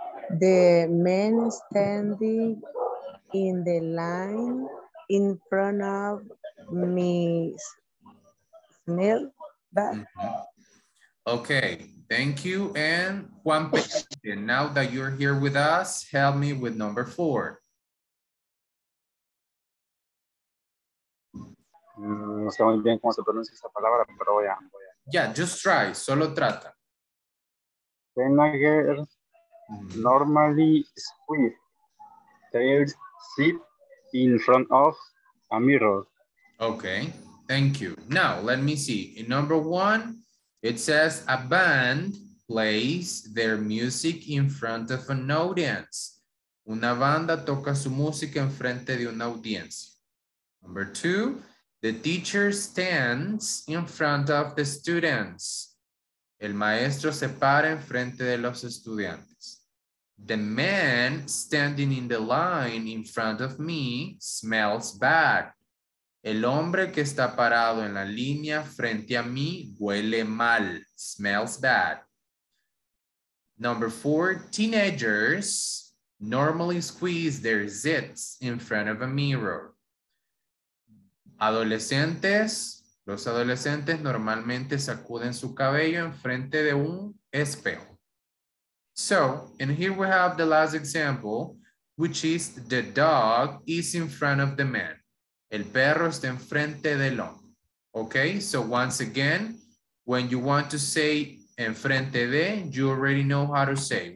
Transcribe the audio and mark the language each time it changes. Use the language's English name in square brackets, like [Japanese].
[English] The man standing in the line in front of me. Okay, thank you. And Juan Pedro, now that you're here with us, help me with number four. [Spanish] No sé muy bien cómo se pronuncia esta palabra, pero voy a. [English] Yeah, just try, [Spanish] solo trata. [English] Vinegar normally squeeze their seat in front of a mirror. Okay. Thank you. Now, let me see. In number one, it says a band plays their music in front of an audience. [Spanish] Una banda toca su música en frente de una audiencia. [English] Number two, the teacher stands in front of the students. [Spanish] El maestro se para en frente de los estudiantes. [English] The man standing in the line in front of me smells bad. [Spanish] El hombre que está parado en la línea frente a mí huele mal, [English] smells bad. Number four, teenagers normally squeeze their zits in front of a mirror. [Spanish] Adolescentes, los adolescentes normalmente sacuden su cabello en frente de un espejo. [English] So, and here we have the last example, which is the dog is in front of the man. [Spanish] El perro está enfrente del hombre. [English] Okay, so once again, when you want to say enfrente de, you already know how to say.